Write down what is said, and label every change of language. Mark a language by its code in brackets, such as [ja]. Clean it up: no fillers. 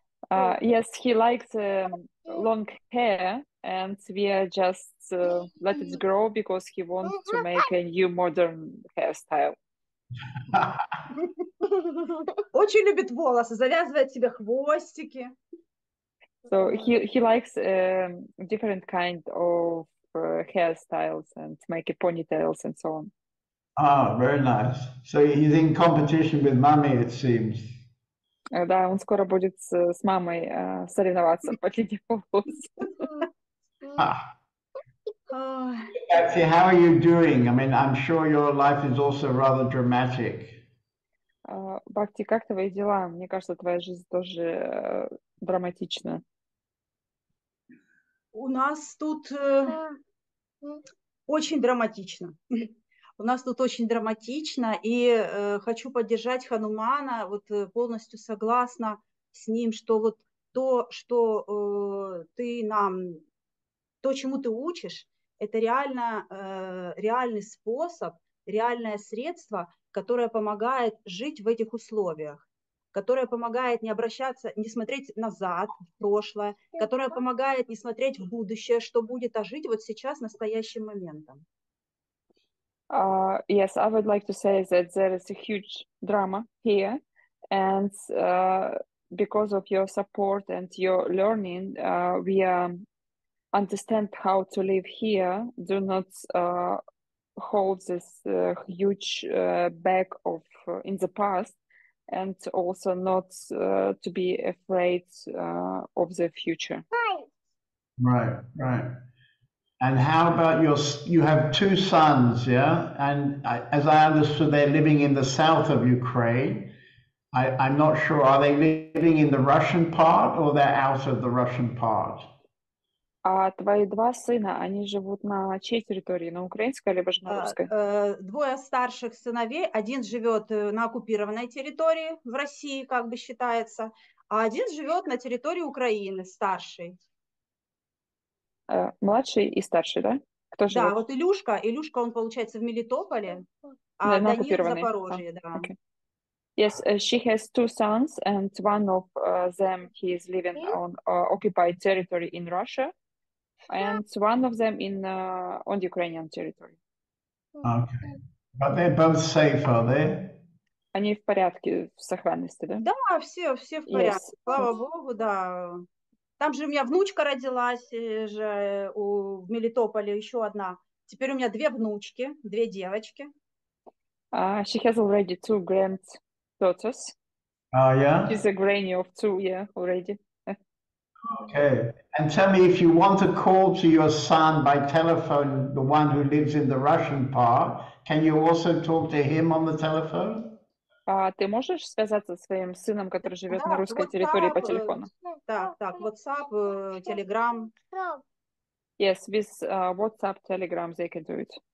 [en] Yes, he likes long hair, and we are just let it grow because he wants to make a new modern hairstyle. [ru] Очень любит волосы, завязывает себе хвостики. [en] So he likes different kind of hairstyles and make a ponytails and so on. Ah, very nice. So he's in competition with mommy, it seems. [ru] Да, он скоро будет с мамой соревноваться по длине волос. [en] Bhakti, how are you doing? I mean, I'm sure your life is also rather dramatic. [ru] Бхакти, как твои дела? Мне кажется, твоя жизнь тоже драматична. У нас тут Очень драматично. У нас тут очень драматично, и хочу поддержать Ханумана, вот полностью согласна с ним, что вот то, что ты нам, то, чему ты учишь, это реально реальный способ, реальное средство, которое помогает жить в этих условиях, которое помогает не обращаться, не смотреть назад, в прошлое, которое помогает не смотреть в будущее, что будет, а жить вот сейчас, настоящим моментом. [en] Yes, I would like to say that there is a huge drama here, and because of your support and your learning, we understand how to live here, do not hold this huge bag of in the past, and also not to be afraid of the future. Right, right. And how about you have two sons, yeah? And as I understood, they're living in the south of Ukraine. I'm not sure, are they living in the Russian part or they're out of the Russian part? [ru] А твои два сына, они живут на чьей территории, на украинской или на русской? Двое старших сыновей, один живет на оккупированной территории в России, как бы считается, а один живет на территории Украины, старший. Младший и старший, да? Кто живет? Да, вот Илюшка. Илюшка, он получается в Мелитополе, а да, Данил в Запорожье, да. [en] Okay. Yes, she has two sons, and one of them he is living on occupied territory in Russia, and one of them in on the Ukrainian territory. Okay, but they're both safe, are they? [ru] Они в порядке, в сохранности, да? Да, все в порядке. [en] Yes. [ru] Слава Богу, да. Там же у меня внучка родилась же в Мелитополе, еще одна. Теперь у меня две внучки, две девочки. [en] She has already two granddaughters. Yeah? She's a granny of two, yeah, already. Okay. And tell me, if you want to call to your son by telephone, the one who lives in the Russian part, can you also talk to him on the telephone? [ru] Ты можешь связаться со своим сыном, который живет да, на русской WhatsApp, территории по телефону? Так, WhatsApp, Telegram. [en] Yes, with WhatsApp, Telegram, they can do it.